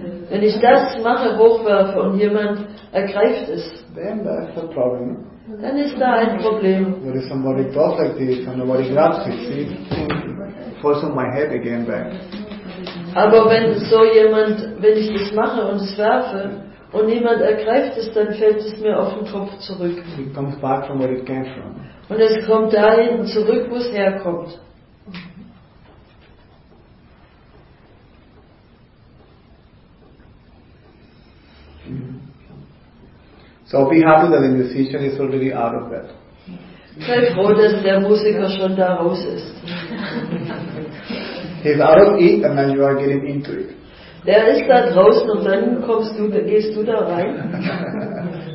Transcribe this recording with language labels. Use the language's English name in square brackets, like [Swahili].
[German] wenn ich das mache, hochwerfe, und jemand ergreift es, [English] then that's a problem. [German] Dann ist da ein Problem. [English] But if somebody talks like this and nobody grabs it, see, falls on my head again back. [German] Aber wenn so jemand, wenn ich das mache und es werfe und niemand ergreift es, dann fällt es mir auf den Kopf zurück. [English] It comes back from where it came from. [German] Und es kommt dahin zurück, wo es herkommt. [English] So be happy that the musician is already out of bed. [German] Sei froh, dass der Musiker schon da raus ist. [English] He's out of it, and then you are getting into it. [German] Der ist da draußen, und dann kommst du, gehst du da rein.